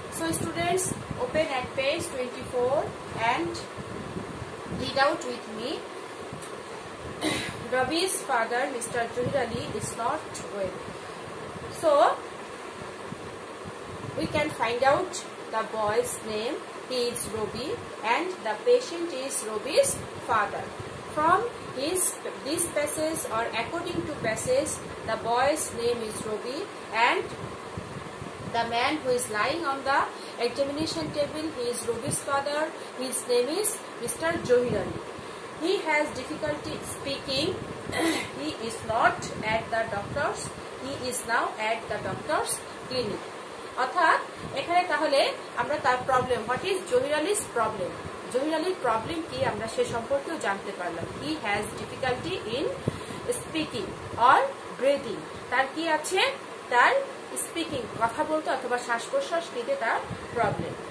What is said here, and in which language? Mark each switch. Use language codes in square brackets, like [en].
[en] So students, open at page 24 and read out with me. Robi's father mister Zahir Ali is not well. So we can find out the boy's name, he is Robi, and the patient is Robi's father. From this passage or according to passage, the boy's name is Robi and the man who is lying on the examination table, he is Robi's father. His name is Mr. Johirani. He has difficulty speaking. He is not at the doctor's. He is now at the doctor's clinic. [bn] অর্থাৎ এখানে তাহলে আমরা তার problem, [en] what is জহিরালিস problem, [bn] জহিরালির problem কি আমরা সে সম্পর্কেও জানতে পারলাম। [en] he has difficulty in speaking or breathing, [bn] তার কি আছে? তার স্পিকিং, কথা বলতে অথবা শ্বাস প্রশ্বাস নিতে তার প্রবলেম।